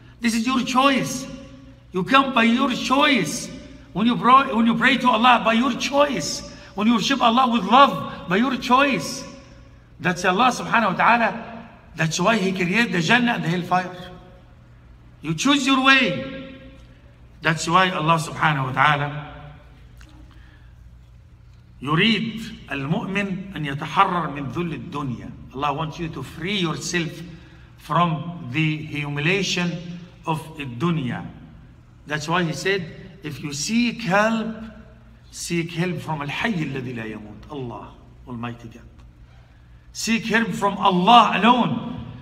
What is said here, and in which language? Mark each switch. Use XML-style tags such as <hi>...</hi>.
<en>This is your choice. You come by your choice. When you pray to Allah, by your choice. When you worship Allah with love, by your choice. That's Allah subhanahu wa ta'ala, that's why He created the jannah and the hellfire. You choose your way. That's why</en> <ar>Allah subhanahu wa ta'ala يريد المؤمن أن يتحرر من ذل الدنيا.</ar> <en>Allah wants you to free yourself from the humiliation of الدنيا. That's why He said, if you seek help from</en> <ar>الحي الذي لا يموت.</ar> <en>Allah, Almighty God. Seek help from Allah alone.</en>